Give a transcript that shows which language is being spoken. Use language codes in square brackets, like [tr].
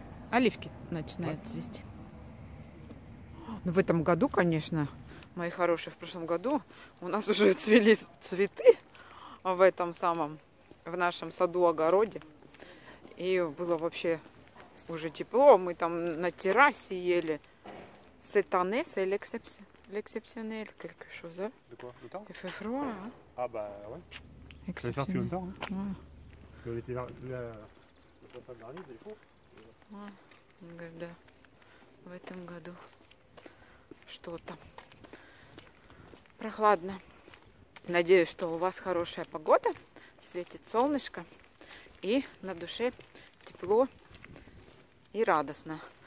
[ru] Оливки начинают цвести. В этом году, конечно, мои хорошие, в прошлом году у нас уже цвели цветы в этом самом, в нашем саду-огороде. И было вообще... Уже тепло, мы там на террасе ели. [fr] Cette année, c'est l'exceptionnel, quelque chose. De quoi? Le temps? Il fait froid, hein? Ah, bah, ouais. Exceptionnel. Ça fait plus longtemps, hein? Ouais. Que l'été dernier, il était chaud. Ouais, regarde, [ru] в этом году что-то прохладно. Надеюсь, что у вас хорошая погода, светит солнышко, и на душе тепло. И радостно.